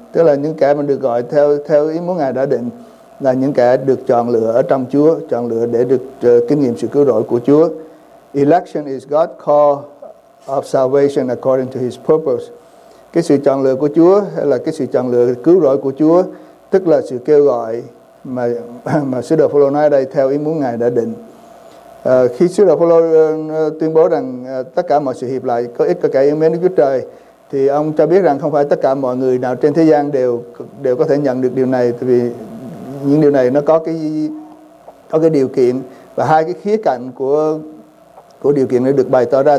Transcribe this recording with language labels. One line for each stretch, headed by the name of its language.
Vietnamese: Tức là những kẻ mà được gọi theo ý muốn Ngài đã định là những kẻ được chọn lựa ở trong Chúa, chọn lựa để được kinh nghiệm sự cứu rỗi của Chúa.
English: Election is God's call of salvation according to his purpose.
Vietnamese: Cái sự chọn lựa của Chúa hay là cái sự chọn lựa cứu rỗi của Chúa, tức là sự kêu gọi mà sứ đồ Phaolô nói đây theo ý muốn Ngài đã định. Khi sứ đồ Phaolô tuyên bố rằng tất cả mọi sự hiệp lại có ích cho kẻ yêu mến Đức Chúa Trời, thì ông cho biết rằng không phải tất cả mọi người nào trên thế gian đều có thể nhận được điều này, vì những điều này nó có cái điều kiện, và hai cái khía cạnh của điều kiện nó được bày tỏ ra.